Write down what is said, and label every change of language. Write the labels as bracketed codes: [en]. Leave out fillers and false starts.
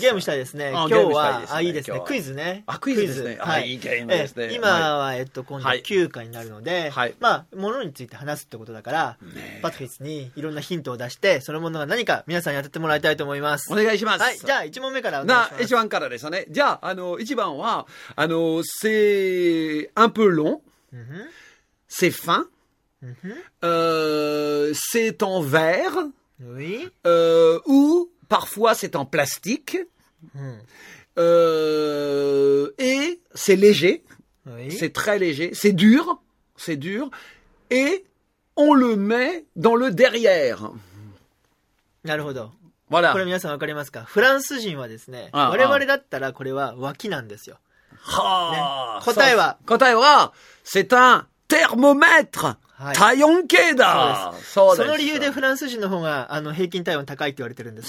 [ja] ゲームしたいですね。今日は、あ、いいですね。クイズね。あ、クイズですね。はい、いいゲームですね。今は、今度9回になるので、はい、まあ、ものについて話すってことだから、ね、パトフィスにいろんなヒントを出して、そのものが何か皆さんに当ててもらいたいと思います。お願いします。はい、じゃあ、1問目からお願いします。 1番からですね。じゃあ、1番は、 [fr] c'est un peu long、c'est fin、c'est en verre、ou parfois c'est en plastique、et c'est léger、c'est très léger, c'est dur, c'est dur, et on le met dans le derrière. [ja] なるほど。 [fr] Voilà. [ja] これ皆さん分かりますか？フランス人はですね、我々だったらこれは脇なんですよ。はあ、ね、答えは答えは [fr] c'est un thermomètre、 [ja] はい、体温計だ。そうです。その理由でフランス人の方が平均体温高いって言われてるんです。